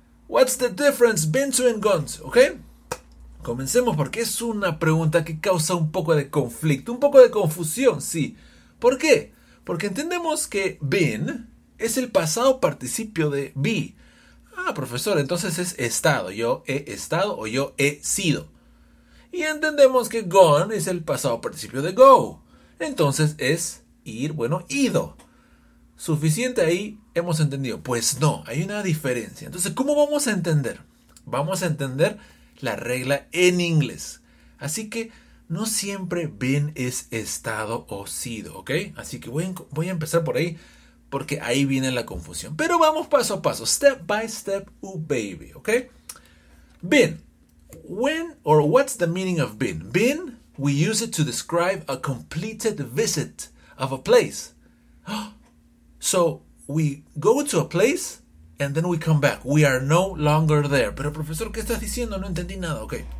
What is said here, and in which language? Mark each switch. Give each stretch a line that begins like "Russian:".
English: What's the difference been to and gone to?
Spanish: ¿Ok? Comencemos, porque es una pregunta que causa un poco de conflicto, un poco de confusión, sí. ¿Por qué? Porque entendemos que been es el pasado participio de be. Ah, profesor, entonces es estado. Yo he estado o yo he sido. Y entendemos que gone es el pasado participio de go. Entonces es ir, bueno, ido. ¿Suficiente ahí? ¿Hemos entendido? Pues no, hay una diferencia. Entonces, ¿cómo vamos a entender? Vamos a entender la regla en inglés. Así que no siempre been es estado o sido, ¿ok? Así que voy a empezar por ahí, porque ahí viene la confusión. Pero vamos paso a paso,
English: step by step, ooh baby,
Spanish: ¿ok?
English: Been, when or what's the meaning of been? Been, we use it to describe a completed visit of a place. So, we go to a place and then we come back. We are no longer there.
Spanish: Pero profesor, ¿qué estás diciendo? No entendí nada, ¿ok?